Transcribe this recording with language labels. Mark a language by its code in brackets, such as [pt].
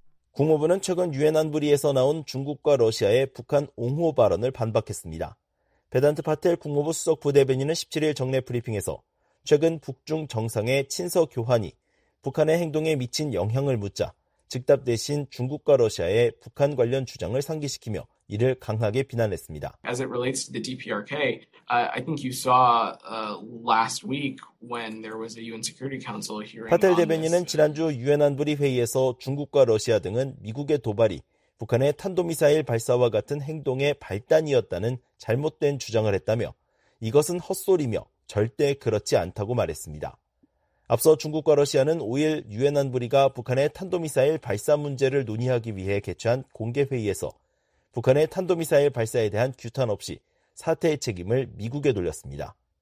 [ko] 국무부는 최근 유엔 안보리에서 나온 중국과 러시아의 북한 옹호 발언을 반박했습니다. 베단트 파텔 국무부 수석 부대변인은 17일 정례 브리핑에서 최근 북중 정상의 친서 교환이 북한의 행동에 미친 영향을 묻자 즉답 대신 중국과 러시아의 북한 관련 주장을 상기시키며 이를 강하게 비난했습니다. [en] As it relates to the DPRK, I think you saw last week when there was a UN Security Council hearing. [ko] 파텔 대변인은 지난주 유엔 안보리 회의에서 중국과 러시아 등은 미국의 도발이 북한의 탄도미사일 발사와 같은 행동의 발단이었다는 잘못된 주장을 했다며 이것은 헛소리며 절대 그렇지 않다고 말했습니다. 앞서 중국과 러시아는 5일 유엔 안보리가 북한의 탄도미사일 발사 문제를 논의하기 위해 개최한 공개 회의에서 북한의 탄도미사일 발사에 대한 규탄 없이 사태의 책임을 미국에 돌렸습니다.